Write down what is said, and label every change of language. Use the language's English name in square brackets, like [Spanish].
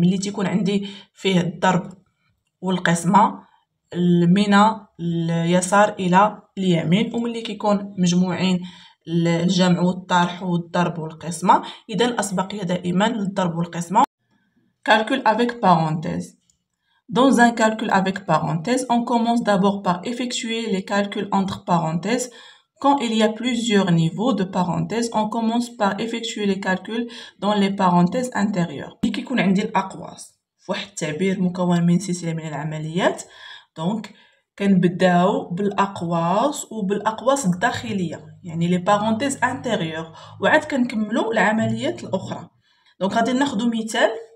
[Arabic] ملي تيكون عندي فيه الضرب والقسمه من اليسار الى اليمين، وملي كيكون مجموعين الجمع والطرح والضرب والقسمه، اذا الاسبقيه دائما للضرب والقسمه. [French] كالكول افيك بارونتيز. دون زان كالكول افيك بارونتيز، اون كومونس دابور بار افيكتوي لي كالكول انتر بارونتيز. Quand il y a plusieurs niveaux de parenthèses, on commence par effectuer les calculs dans les parenthèses intérieures. Ici, on a un aquas. [Arabic] واحد التعبير مكون من سلسلة من العمليات. Donc, كنبداو بالأقواس وبالأقواس الداخلية، يعني les parenthèses intérieures. وعاد كنكملو العمليات الأخرى. Donc, غادي ناخدو مثال.